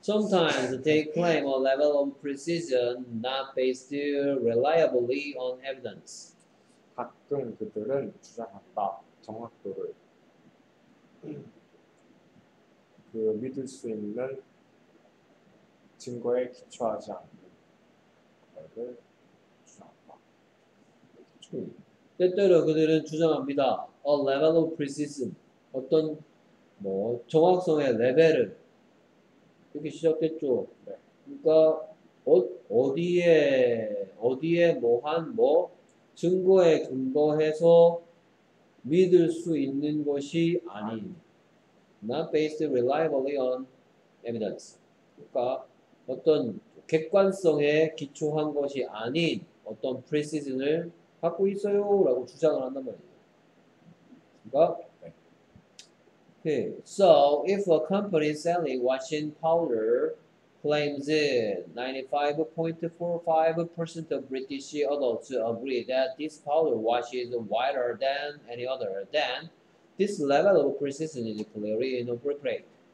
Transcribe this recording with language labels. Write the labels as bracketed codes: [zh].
[en] Sometimes they claim a level of precision not based reliably on evidence. [ko] 가끔 그들은 주장한다. 정확도를 그 믿을 수 있는 증거에 기초하지 않는 것을 주장한다. 때때로 그들은 주장합니다. [en] A level of precision. [ko] 어떤 뭐 정확성의 레벨을 이렇게 시작됐죠. 네. 그러니까 어디에 뭐한 뭐 증거에 근거해서 믿을 수 있는 것이 아닌 [en] not based reliably on evidence. [ko] 그러니까 어떤 객관성에 기초한 것이 아닌 어떤 precision을 갖고 있어요 라고 주장을 한단 말이에요. 그러니까 Okay. [en] So, if a company selling washing powder claims 95.45% of British adults agree that this powder washes whiter than any other, then this level of precision is clearly inappropriate.